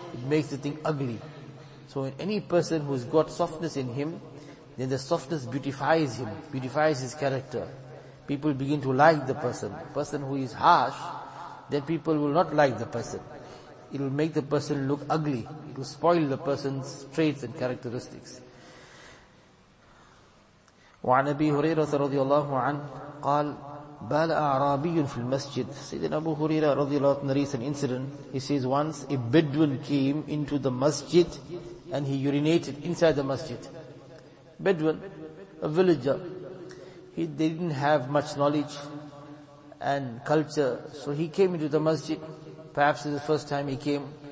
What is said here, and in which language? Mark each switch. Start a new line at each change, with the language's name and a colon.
English: It makes the thing ugly. So in any person who's got softness in him, then the softness beautifies him, beautifies his character. People begin to like the person. Person who is harsh, then people will not like the person. It will make the person look ugly. It will spoil the person's traits and characteristics.
Arabic: وعن أبي هريرة رضي الله عنه قال بال أعرابي في المسجد. سيدنا أبو هريرة رضي الله عنه
English: narrates an incident. He says once a Bedouin came into the masjid and he urinated inside the masjid. Bedouin, a villager. They didn't have much knowledge and culture. So he came into the masjid. Perhaps it's the first time he came.